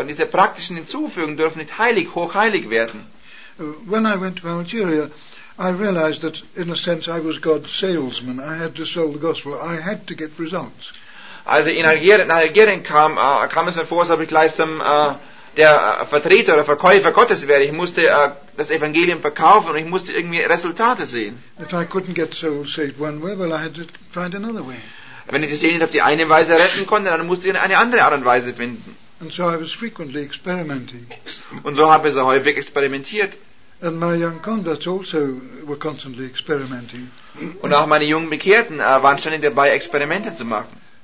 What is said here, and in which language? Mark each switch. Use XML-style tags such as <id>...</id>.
<de>Und diese praktischen Hinzufügungen dürfen nicht heilig, hochheilig werden.</de> <en>When I went to Algeria, I realized that, in a sense, I was God's salesman. I had to sell the gospel. I had to get results.</en> <de>Also in Algerien kam es mir vor, als ob ich gleichsam der Vertreter oder Verkäufer Gottes wäre. Ich musste das Evangelium verkaufen und ich musste irgendwie Resultate sehen.</de> <en>If I couldn't get souls saved one way, well, I had to find another way.</en> <de>Wenn ich die Seele nicht auf die eine Weise retten konnte, dann musste ich eine andere Art und Weise finden.</de> <en>And so I was frequently experimenting.</en> <de>Und so habe ich so häufig experimentiert.</de> <en>And my young converts also were constantly experimenting.</en> <de>Und auch meine jungen Bekehrten waren ständig dabei, Experimente zu machen.</de>